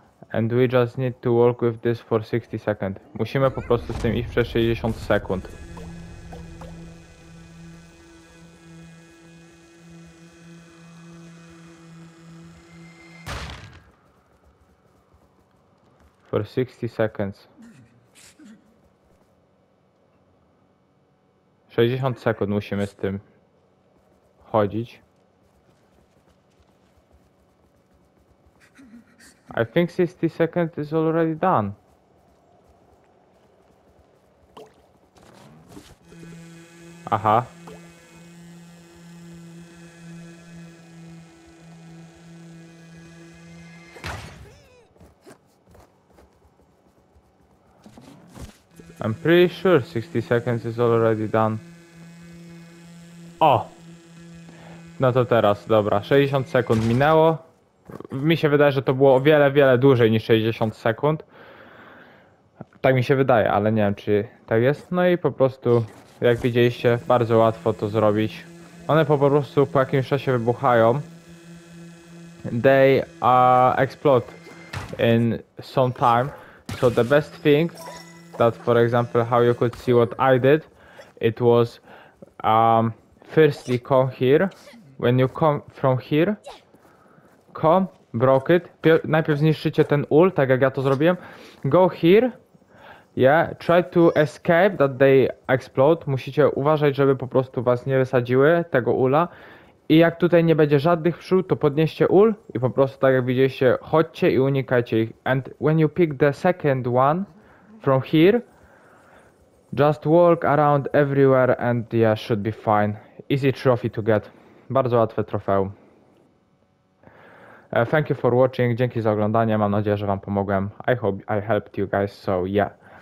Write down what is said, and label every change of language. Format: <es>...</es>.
<en>And we just need to work with this for 60 seconds.</en> <pl>Musimy po prostu z tym iść przez 60 sekund.</pl> <en>For 60 seconds.</en> <pl>60 sekund musimy z tym chodzić.</pl> <en>I think 60 seconds is already done. Aha. I'm pretty sure 60 seconds is already done. O!</en> <pl>No to teraz, dobra, 60 sekund minęło. Mi się wydaje, że to było o wiele, wiele dłużej niż 60 sekund. Tak mi się wydaje, ale nie wiem, czy tak jest. No i po prostu, jak widzieliście, bardzo łatwo to zrobić. One po prostu po jakimś czasie wybuchają.</pl> <en>They explode in some time. So the best thing that, for example, how you could see what I did, it was firstly come here. When you come from here, broke it.</en> <pl>Najpierw zniszczycie ten ul, tak jak ja to zrobiłem.</pl> <en>Go here. Yeah, try to escape that they explode.</en> <pl>Musicie uważać, żeby po prostu was nie wysadziły tego ula. I jak tutaj nie będzie żadnych pszczół, to podnieście ul i po prostu tak jak widzieliście, chodźcie i unikajcie ich.</pl> <en>And when you pick the second one from here, just walk around everywhere and yeah, should be fine. Easy trophy to get.</en> <pl>Bardzo łatwe trofeum.</pl> <en>Thank you for watching,</en> <pl>dzięki za oglądanie, mam nadzieję, że wam pomogłem.</pl> <en>I hope I helped you guys, so yeah.</en>